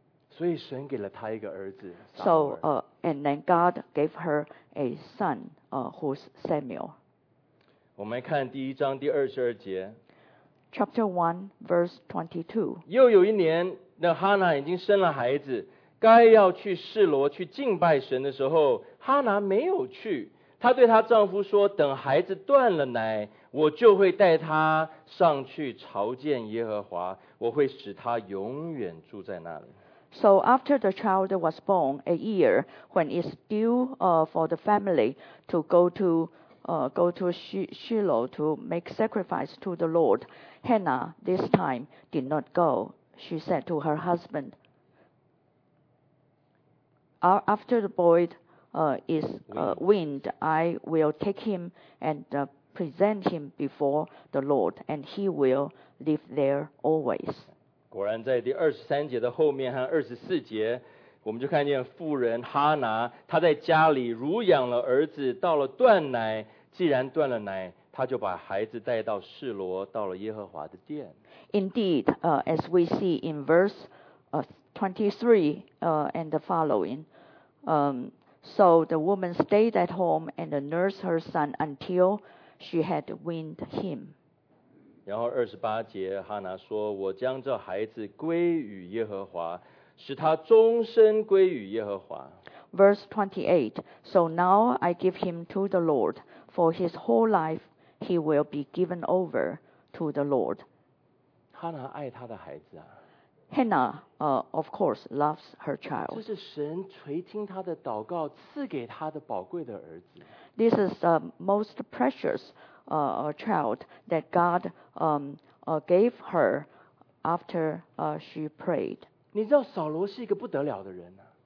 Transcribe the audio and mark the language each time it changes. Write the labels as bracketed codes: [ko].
[zh] 所以神给了他一个儿子。 [en] So and then God gave her a son, who's Samuel. [zh] 我们看第一章第二十二节。 [en] Chapter 1, verse 22. [zh] 又有一年，那哈拿已经生了孩子，该要去示罗去敬拜神的时候，哈拿没有去。她对她丈夫说：“等孩子断了奶，我就会带他上去朝见耶和华，我会使他永远住在那里。” [en] So after the child was born, a year when it's due for the family to go to Shiloh to make sacrifice to the Lord, Hannah this time did not go. She said to her husband, "After the boy is weaned, I will take him and present him before the Lord, and he will live there always." [zh] 果然，在第二十三节的后面和二十四节，我们就看见妇人哈拿，她在家里乳养了儿子，到了断奶。既然断了奶，他就把孩子带到示罗，到了耶和华的殿。 [en] Indeed, as we see in verse 23 and the following, so the woman stayed at home and nursed her son until she had weaned him. [zh] 然后二十八节，哈拿说：“我将这孩子归与耶和华，使他终身归与耶和华。” [en] Verse 28, so now I give him to the Lord. For his whole life, he will be given over to the Lord. [zh] Hannah 爱她的孩子啊。 [en] Hannah, of course, loves her child. [zh] 这是神垂听她的祷告，赐给她的宝贵的儿子。 [en] This is the most precious child that God gave her after she prayed. [zh] 你知道扫罗是一个不得了的人啊。